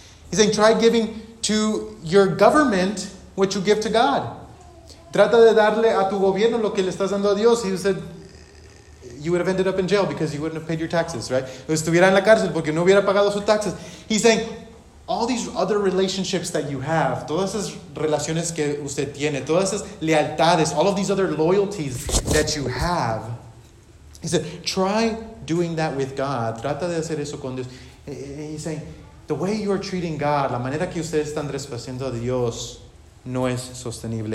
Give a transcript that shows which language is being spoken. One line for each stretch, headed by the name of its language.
English: He's saying, try giving to your government what you give to God.
Spanish: Trata de darle a tu gobierno lo que le estás dando a Dios.
English: He said, you would have ended up in jail because you wouldn't have paid your taxes, right?
Spanish: Estuviera en la cárcel porque no hubiera pagado sus taxes.
English: He's saying, all these other relationships that you have,
Spanish: todas esas relaciones que usted tiene, todas esas lealtades,
English: all of these other loyalties that you have, he said, try doing that with God.
Spanish: Trata de hacer eso con Dios.
English: He's saying, the way you are treating God,
Spanish: la manera que ustedes están respetando a Dios, no es sostenible.